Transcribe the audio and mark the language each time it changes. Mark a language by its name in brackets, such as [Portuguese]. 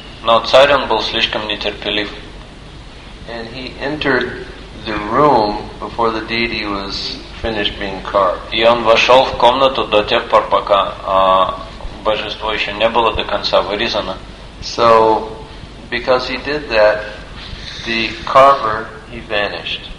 [Russian] Но царь, он был слишком нетерпелив. [English] And he entered the room before the deity was finished being carved. [Russian] И он вошел в комнату до тех пор, пока божество еще не было до конца вырезано. [English] So, because he did that, the carver, he vanished.